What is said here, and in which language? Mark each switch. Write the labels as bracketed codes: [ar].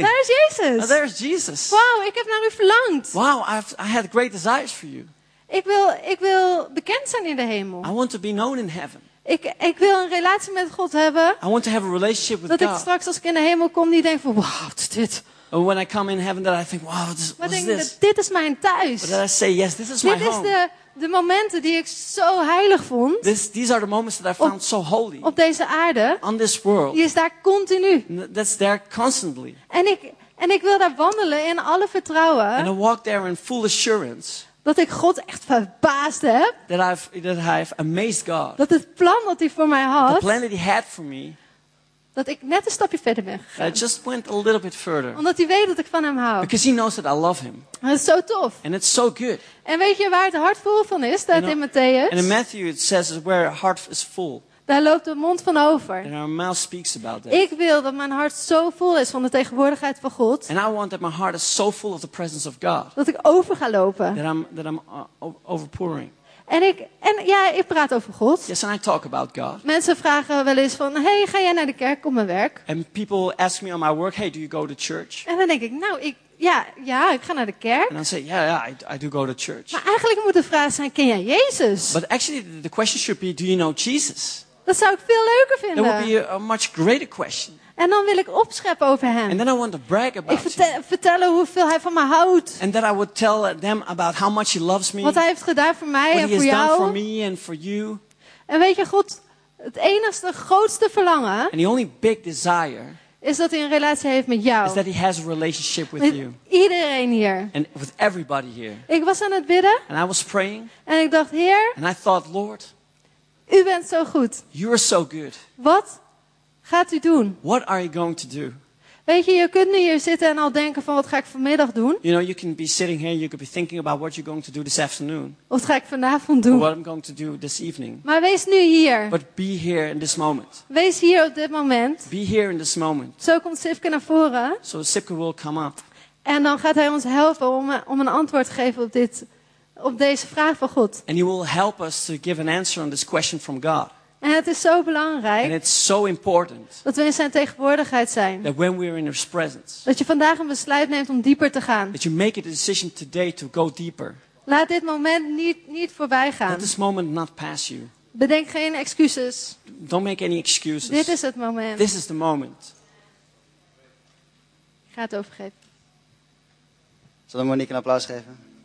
[nl] Daar is Jezus. [en] Oh, there's Jesus. [nl] Wow, ik heb naar u verlangd. [en] Wow, I had great desires for you. [nl] Ik wil bekend zijn in de hemel. [en] I want to be known in heaven. [nl] Ik wil een relatie met God hebben. [en] I want to have a relationship with [nl] dat [en] God. [nl] Dat ik straks als ik in de hemel kom, niet denk van, wow, wat is dit? [en] Or when I come in heaven, that I think, wow, what is this? [nl] Maar dit is mijn thuis. [en] But then I say, yes, this is [nl] dit [en] my home. [nl] Dit is de momenten die ik zo heilig vond. [en] These are the moments that I found so holy. [nl] Op deze aarde. [en] On this world. [nl] Die is daar continu. [en] That's there constantly. [nl] En ik wil daar wandelen in alle vertrouwen. [en] And I walk there in full assurance. [nl] Dat ik God echt verbaasd heb. [en] That I've amazed God. [nl] Dat het plan dat hij voor mij had. [en] The plan that he had for me. [nl] Dat ik net een stapje verder ben gegaan. [en] I just went a little bit further. [nl] Omdat hij weet dat ik van hem hou. [en] Because he knows that I love him. [nl] En dat is zo tof. [en] And it's so good. [nl] En weet je waar het hart vol van is? Staat in Matthäus. [en] And in Matthew it says where our heart is full. [nl] Daar loopt de mond van over. [en] And our mouth speaks about that. [nl] Ik wil dat mijn hart zo vol is van de tegenwoordigheid van God. [en] And I want that my heart is so full of the presence of God. [nl] Dat ik over ga lopen. [en] That I'm overpouring. [nl] En ik praat over God. [en] Yes, and I talk about God. [nl] Mensen vragen wel eens van, hey, ga jij naar de kerk op mijn werk? [en] And people ask me on my work, hey, do you go to church? [nl] En dan denk ik, nou, ik ga naar de kerk. [en] And I say, I do go to church. [nl] Maar eigenlijk moet de vraag zijn, ken jij Jezus? [en] But actually, the question should be, do you know Jesus? [nl] Dat zou ik veel leuker vinden. [en] That would be a much greater question. [nl] En dan wil ik opscheppen over hem. [en] And then I want to brag about [nl] ik vertellen hoeveel hij van me houdt. [en] And then I would tell them about how much he loves me. [nl] Wat hij heeft gedaan voor mij [en] what [nl] en voor jou. [en] For me and for you. [nl] En weet je, God, het enigste grootste verlangen. [en] And the only big desire. [nl] Is dat hij een relatie heeft met jou. [en] Is that he has a relationship with [nl] met [en] you. [nl] Iedereen hier. [en] And with everybody here. [nl] Ik was aan het bidden. [en] And I was praying. [nl] En ik dacht, Heer. [en] And I thought, Lord. [nl] U bent zo goed. [en] You are so good. [nl] Wat? Gaat u doen? [en] What are you going to do? [nl] Weet je, je kunt nu hier zitten en al denken van wat ga ik vanmiddag doen? [en] You know, you can be sitting here, you could be thinking about what you're going to do this afternoon. [nl] Wat ga ik vanavond doen? [en] Or what I'm going to do this evening. [nl] Maar wees nu hier. [en] But be here in this moment. [nl] Wees hier op dit moment. [en] Be here in this moment. [nl] Zo komt Sipke naar voren. [en] So Sipke will come up. [nl] En dan gaat hij ons helpen om een antwoord te geven op deze vraag van God. [en] And he will help us to give an answer on this question from God. [nl] En het is zo belangrijk. [en] And it's so important. [nl] Dat we in zijn tegenwoordigheid zijn. [en] That when we're in his presence. [nl] Dat je vandaag een besluit neemt om dieper te gaan. [en] That you make a decision today to go deeper. [nl] Laat dit moment niet voorbij gaan. [en] Let this moment not pass you. [nl] Bedenk geen excuses. [en] Don't make any excuses. [nl] Dit is het moment. [en] This is the moment. [nl] Ik ga het overgeven. Zal ik Monique een applaus geven?